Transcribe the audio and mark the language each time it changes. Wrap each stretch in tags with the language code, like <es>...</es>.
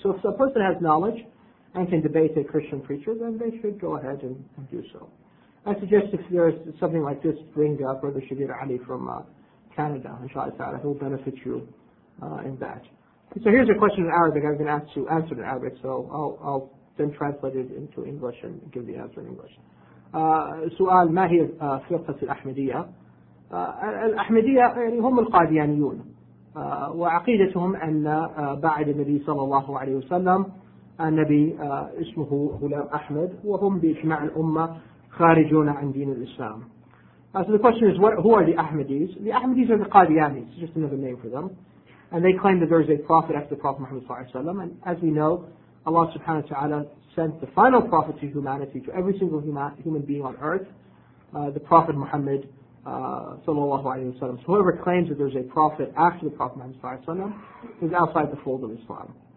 <en>So if a person has knowledge and can debate a Christian preacher, then they should go ahead and do so. I suggest if there is something like this, bring up Brother Shabir Ali from Canada, inshallah ta'ala, he'll benefit you in that. So here's a question in Arabic. I've been asked to answer it in Arabic, so I'll then translate it into English and give the answer in English.</en> <ar>سؤال ما هي فرقة الأحمدية الأحمدية يعني هم القاديانيون وعقيدتهم أن بعد النبي صلى الله عليه وسلم النبي اسمه غلام أحمد وهم بإجماع الأمة خارجون عن دين الإسلام.</ar> <en>So the question is, who are the Ahmadis? The Ahmadis are the Qadianis, just another name for them. And they claim that there is a prophet after the Prophet Muhammad</en> <ar>صلى الله عليه وسلم.</ar> <en>And as we know, Allah subhanahu wa ta'ala sent the final prophet to humanity, to every single human being on earth, the Prophet Muhammad sallallahu alayhi wa sallam. So whoever claims that there's a prophet after the Prophet Muhammad sallallahu alayhi wa sallam is outside the fold of Islam.</en>